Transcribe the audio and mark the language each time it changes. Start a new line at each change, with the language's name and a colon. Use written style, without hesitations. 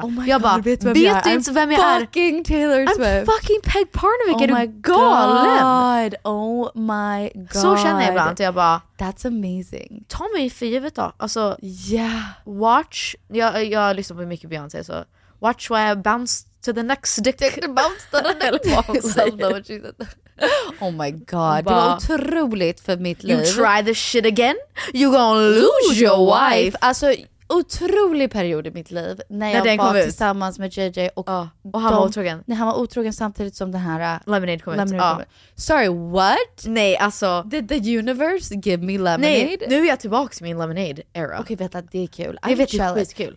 English: Oh my
Swedish: jag
English: God,
Swedish: bara, vet du inte vem jag är?
English: I'm fucking Taylor Swift. I'm fucking Peg Parnevik. Oh my God. Oh my God.
Swedish: Så känner jag ibland. Jag bara,
English: that's amazing.
Swedish: Ta mig för givet då. Alltså,
English: yeah. Watch.
Swedish: Jag lyssnar på mycket Beyoncé så.
English: Watch where I bounce to the next dick. Bounce to the next dick. Oh my god,
Swedish: det var otroligt för mitt liv.
English: You try this shit again, you gonna lose your wife.
Swedish: Alltså, otrolig period i mitt liv. När jag var tillsammans med JJ Och han var otrogen. Nej, han var otrogen samtidigt som det här Lemonade kom ut.
English: Sorry, what?
Swedish: Nej, alltså,
English: did the universe give me Lemonade?
Swedish: Nej, nu är jag tillbaka till min Lemonade era. Okej, vet att det är kul. Jag vet, det är skitkul.